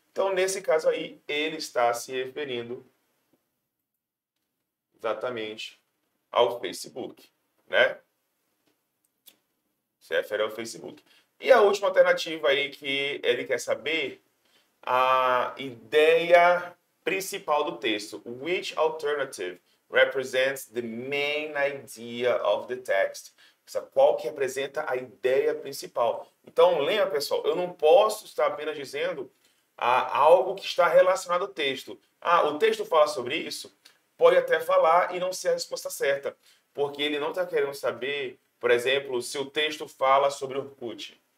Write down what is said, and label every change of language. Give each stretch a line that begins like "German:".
Portuguese: Então, nesse caso aí, ele está se referindo exatamente ao Facebook, né? Se refere ao Facebook. E a última alternativa aí que ele quer saber, a ideia principal do texto.
English: Which alternative represents the main idea of the text?
Portuguese: Qual que representa a ideia principal? Então, lembra, pessoal, eu não posso estar apenas dizendo algo que está relacionado ao texto. Ah, o texto fala sobre isso? Pode até falar e não ser a resposta certa. Porque ele não está querendo saber, por exemplo, se o texto fala sobre Orkut.